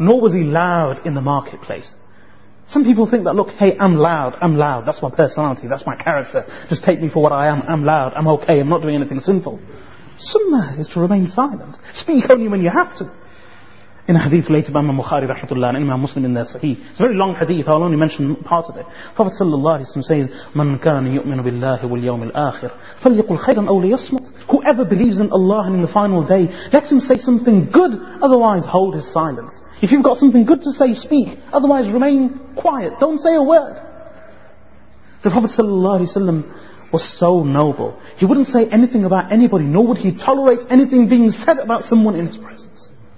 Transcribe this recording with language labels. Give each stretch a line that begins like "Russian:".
English: Nor was he loud in the marketplace. Some people think that, look, hey, I'm loud, that's my personality, that's my character. Just take me for what I am, I'm loud, I'm okay, I'm not doing anything sinful. Sunnah is to remain silent. Speak only when you have to. In a hadith related by Imam Bukhari rahmatullah, and Imam Muslim in their Sahih. It's a very long hadith, I'll only mention part of it.
Arabic: Prophet sallallahu alayhi wa sallam says, مَنْ كَانَ يُؤْمِنُ بِاللَّهِ وَالْيَوْمِ الْآخِرِ فَلْيَقُلْ خَيْرًا أَوْ لِيَصْمُتْ.
English: Whoever believes in Allah and in the final day, let him say something good, otherwise hold his silence. If you've got something good to say, speak. Otherwise remain quiet. Don't say a word. The Prophet sallallahu alayhi wa sallam was so noble. He wouldn't say anything about anybody, nor would he tolerate anything being said about someone in his presence.